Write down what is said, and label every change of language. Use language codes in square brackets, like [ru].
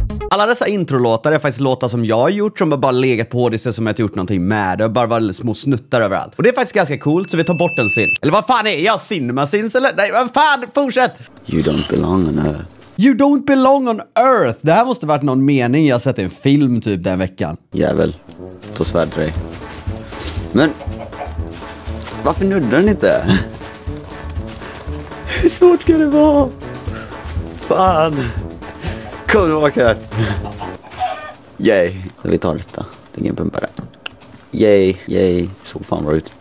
[sv] Alla dessa introlåtar är faktiskt låtar som jag har gjort som har bara legat på det som jag inte gjort någonting med. Det har bara varit små snuttar överallt. Och det är faktiskt ganska coolt så vi tar bort en sin. Eller vad fan är jag? Cinemasins eller? Nej, vad fan? Fortsätt! [en] You don't belong on earth. You don't belong on earth! [sv] Det här måste varit någon mening jag sett i en film typ den veckan. Jävel. Ta svärd för dig. Men... Varför nuddar den inte? Hur svårt ska det vara? Fan... Kom tillbaka här. Yay. Så vi tar detta. Ingen pumpa där. Yay. Yay. Så fan bra ut.